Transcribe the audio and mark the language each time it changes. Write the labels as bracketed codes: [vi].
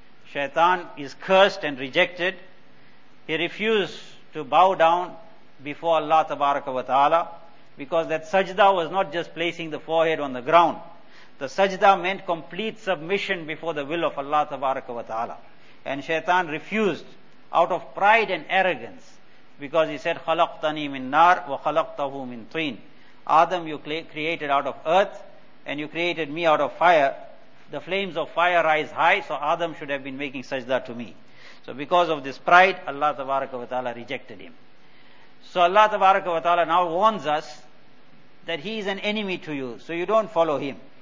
[en] Shaitan is cursed and rejected. He refused to bow down before Allah tabaraka wa ta'ala. Because that sajda was not just placing the forehead on the ground. The sajda meant complete submission before the will of Allah tabaraka wa ta'ala. And shaitan refused out of pride and arrogance. [ar] Because he said, خَلَقْتَنِي مِن نَار وَخَلَقْتَهُ مِن طِين. [en] Adam, you created out of earth and you created me out of fire. The flames of fire rise high, so Adam should have been making sajda to me. So because of this pride, Allah tabaraka wa ta'ala rejected him. So Allah tabaraka wa ta'ala now warns us that he is an enemy to you, so you don't follow him.